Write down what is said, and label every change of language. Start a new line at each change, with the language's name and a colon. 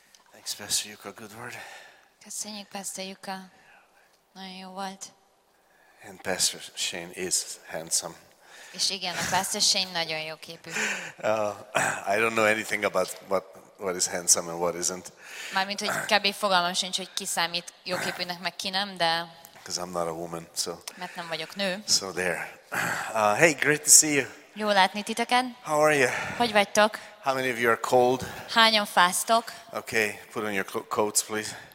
English: Thanks, Pastor Yuka. Good word.
Hungarian: Köszönjük, Pastor Yuka. Nagyon jó volt.
English: And Pastor Shane is handsome.
Hungarian: És igen, a Pastor Shane nagyon jó képű.
English: I don't know anything about what is handsome and what isn't.
Hungarian: Mármint, hogy kb. Fogalmam sincs, hogy ki számít jó képűnek, meg ki nem, de...
English: Because I'm not a woman, so...
Hungarian: Mert nem vagyok nő.
English: So there. Hey, great to see you.
Hungarian: Jó látni titeken.
English: How are you?
Hungarian: Hogy vagytok?
English: How many of you are cold?
Hungarian: Hányan fáztok?
English: Okay, put on your coats, please.